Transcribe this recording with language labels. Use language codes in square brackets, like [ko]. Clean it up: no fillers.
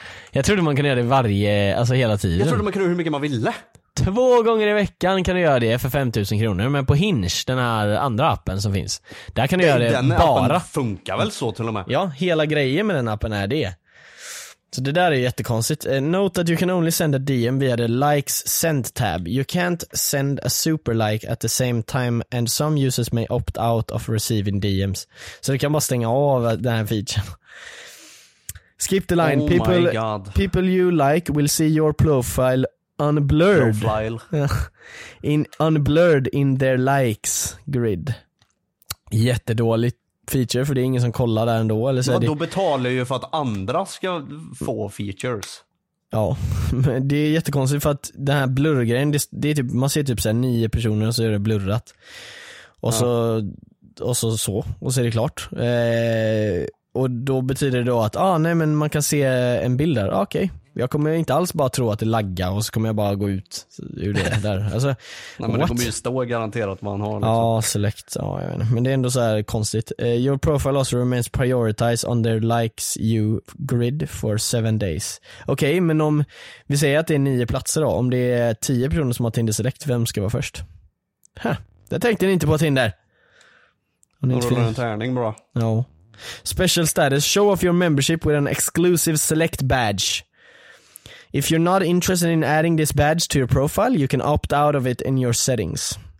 [sv] Jag trodde man kunde göra det varje, alltså hela tiden. Jag trodde man kunde göra hur mycket man ville. 2 gånger i veckan kan du göra det för 5000 kronor. Men på Hinge, den här andra appen som finns, där kan du göra det bara. Appen funkar väl så till och med. Ja, hela grejen med den appen är det. Så det där är jättekonstigt. [en] Note that you can only send a DM via the likes send tab. You can't send a super like at the same time and some users may opt out of receiving DMs. [sv] Så du kan bara stänga av den här featuren. [en] Skip the line. Oh, people you like will see your profile unblurred. Profile. In unblurred in their likes grid. [sv] Jättedåligt feature för det är ingen som kollar där ändå. Eller så ja, det... Då betalar ju för att andra ska få features. Ja, men det är jättekonstigt för att den här blurrgrejen, det är typ, man ser typ så här 9 personer och så är det blurrat. Och ja. så och så är det klart. Och då betyder det då att nej men man kan se en bild där. Okej. Okay. Jag kommer inte alls bara tro att det laggar och så kommer jag bara gå ut ur det där. Alltså, nej men what? Det kommer ju stå garanterat att man har något. Ja, select. Ja, jag vet inte. Men det är ändå så här konstigt. [en] Your profile also remains prioritized on their likes you grid for 7 days. [sv] Okej, okay, men om vi säger att det är 9 platser då, om det är 10 personer som har Tinder Select, vem ska vara först? Det tänkte ni inte på Tinder. Om ni inte finns. Då rullar en tärning bara. Ja. No. [en] Special status, show off your membership with an exclusive select badge. If you're not interested in adding this badge to your profile, you can opt out of it in your settings.